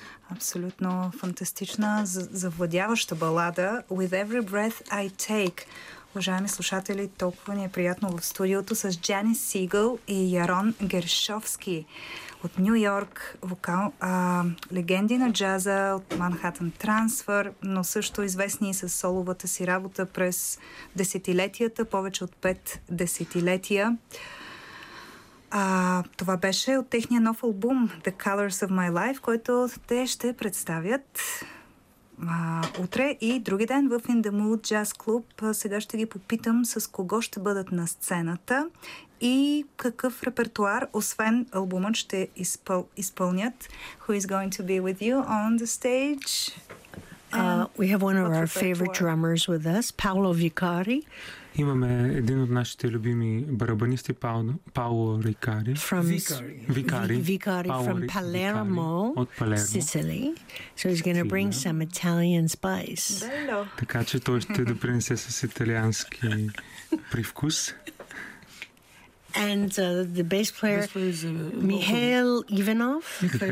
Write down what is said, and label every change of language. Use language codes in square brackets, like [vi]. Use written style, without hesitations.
[bg] Абсолютно фантастична, завладяваща балада With Every Breath I Take. Уважаеми слушатели, толкова ни е приятно в студиото с Джанис Сигъл и Ярон Гершовски от Ню Йорк, вокал, легенди на джаза от Манхатън Трансфър, но също известни с соловата си работа през десетилетията, повече от пет десетилетия. Това беше от техния нов албум The Colors of My Life, който те ще представят утре и други ден в In The Mood Jazz Club. Сега ще ги попитам с кого ще бъдат на сцената и какъв репертуар, освен албумът, ще изпълнят. [en] Who is going to be with you on the stage? We have one of our favorite drummers with us, Paolo Vicari. [bg] Имаме един от нашите любими барабанисти, Паоло Рикари. [en] Викари. From Palermo, Vicari, [bg] от Палермо, [en] Sicily. So he's going to bring some Italian spice. [it] Bello. [bg] Така че той ще допринесе с италиански привкус. [en] And the bass player, Михаил Иванов.